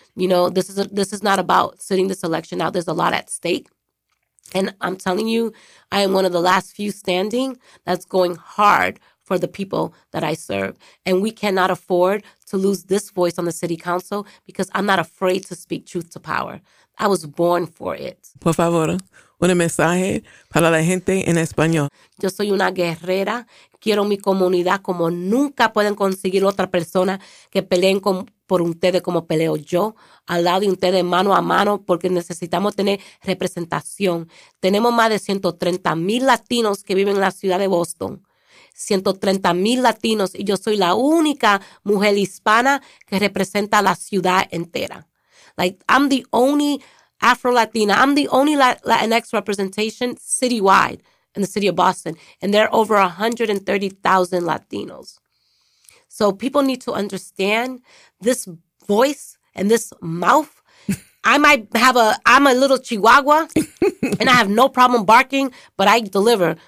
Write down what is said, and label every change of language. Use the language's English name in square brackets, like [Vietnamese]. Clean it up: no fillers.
[English] You know, this is not about sitting this election out. There's a lot at stake. And I'm telling you, I am one of the last few standing that's going hard for the people that I serve. And we cannot afford to lose this voice on the city council, because I'm not afraid to speak truth to power. I was born for it. [Spanish] Por favor, un mensaje para la gente en español. Yo soy una guerrera. Quiero mi comunidad como nunca pueden conseguir otra persona que peleen por ustedes como peleo yo, al lado de ustedes, mano a mano, porque necesitamos tener representación. Tenemos más de 130,000 latinos que viven en la ciudad de Boston. 130,000 latinos, y yo soy la única mujer hispana que representa la ciudad entera. [English] Like, I'm the only Afro-Latina. I'm the only Latinx representation citywide in the city of Boston. And there are over 130,000 Latinos. So people need to understand this voice and this mouth. I'm a little Chihuahua, and I have no problem barking, but I deliver.